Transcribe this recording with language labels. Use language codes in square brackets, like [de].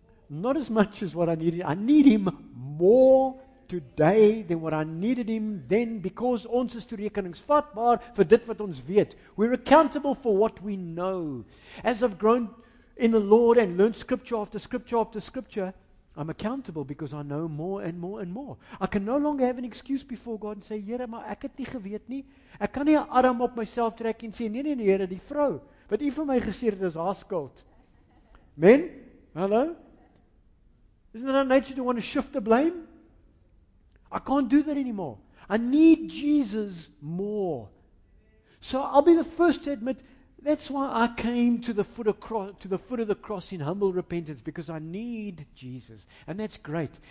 [en] Not as much as what I needed. I need Him more today than what I needed Him then, because [af] ons is toerekeningsvatbaar vir dit wat ons weet. [en] We're accountable for what we know. As I've grown in the Lord and learned scripture after scripture after scripture, I'm accountable because I know more and more and more. I can no longer have an excuse before God and say, [af] Here, maar ek het nie geweet nie. Ek kan nie 'n arm op myself trek en sê, nee, Here, die vrou, wat u vir my gesê het, is haar skuld. [en] Men? Hallo? Isn't it our nature to want to shift the blame? I can't do that anymore. I need Jesus more. So I'll be the first to admit, that's why I came to the foot of the cross in humble repentance, because I need Jesus. And that's great.